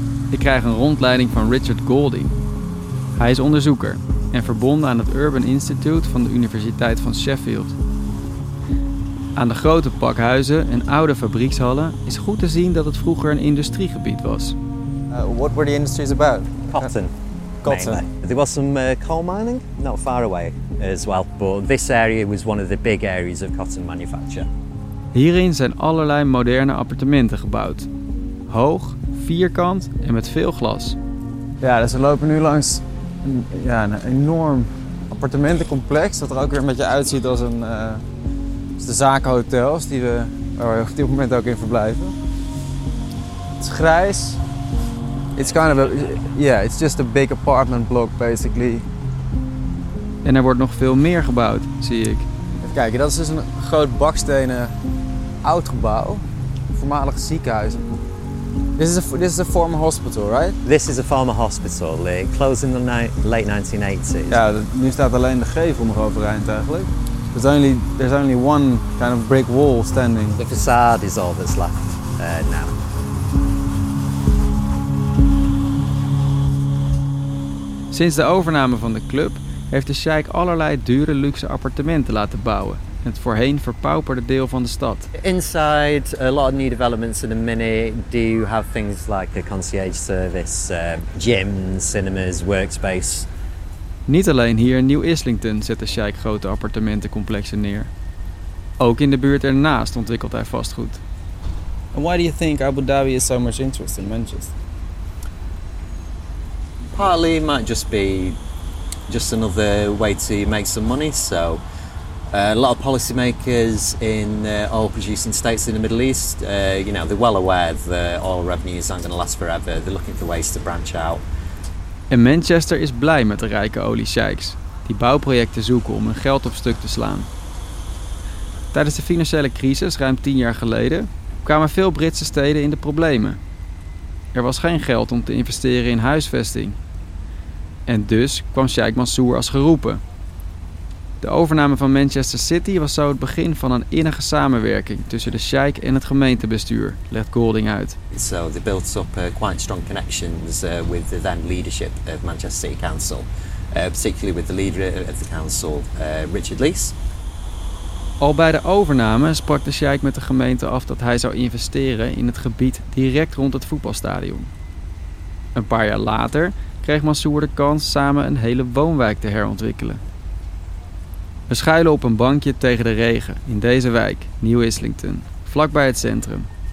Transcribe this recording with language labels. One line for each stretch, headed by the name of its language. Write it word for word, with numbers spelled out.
Dutch: Ik krijg een rondleiding van Richard Goulding. Hij is onderzoeker en verbonden aan het Urban Institute van de Universiteit van Sheffield. Aan de grote pakhuizen en oude fabriekshallen is goed te zien dat het vroeger een industriegebied was.
English: Uh, what were the industries about? Cotton. Cotton. Mainly. There was some uh, coal mining not far away as well, but this area was one of the big areas of cotton manufacture.
Dutch: Hierin zijn allerlei moderne appartementen gebouwd. Hoog, vierkant en met veel glas. Ja, dus we lopen nu langs een, ja, een enorm appartementencomplex, dat er ook weer een beetje uitziet als, een, uh, als de zakenhotels die we waar we op dit moment ook in verblijven. Het is grijs.
English: It's kind of a, yeah, it's just a big apartment block basically.
Dutch: En er wordt nog veel meer gebouwd, zie ik. Even kijken, dat is dus een groot bakstenen oud gebouw, voormalig ziekenhuis.
English: This is, a, this is a former hospital, right? This is a former hospital. It closed in the ni- late nineteen eighties.
Dutch: Ja, nu staat alleen de gevel nog overeind eigenlijk.
English: There's only, there's only one kind of brick wall standing. The facade is all that's left uh, now.
Dutch: Sinds de overname van de club heeft de sheik allerlei dure luxe appartementen laten bouwen. Het voorheen verpauperde deel van de stad.
English: Inside, a lot of new developments in a minute do have things like a concierge service, uh, gyms, cinemas, workspace.
Dutch: Niet alleen hier in New Islington zet de sheik grote appartementencomplexen neer. Ook in de buurt ernaast ontwikkelt hij vastgoed.
English: And why do you think Abu Dhabi is so much interest in Manchester? Partly it might just be just another way to make some money, so. Uh, a lot of policymakers in uh, oil-producing states in the Middle East, uh, you know, they're well aware that oil revenues aren't going to last forever. They're looking for ways to branch out.
Dutch: En Manchester is blij met de rijke oliesheiks die bouwprojecten zoeken om hun geld op stuk te slaan. Tijdens de financiële crisis ruim tien jaar geleden kwamen veel Britse steden in de problemen. Er was geen geld om te investeren in huisvesting. En dus kwam Sheikh Mansour als geroepen. De overname van Manchester City was zo het begin van een innige samenwerking tussen de sheikh en het gemeentebestuur, legt Golding uit.
English: So they built up uh, quite strong connections uh, with the then leadership of Manchester City Council, uh, particularly with the leader of the council, uh, Richard Leese.
Dutch: Al bij de overname sprak de sheikh met de gemeente af dat hij zou investeren in het gebied direct rond het voetbalstadion. Een paar jaar later kreeg Mansour de kans samen een hele woonwijk te herontwikkelen. We schuilen op een bankje tegen de regen in deze wijk, New Islington, vlakbij het centrum.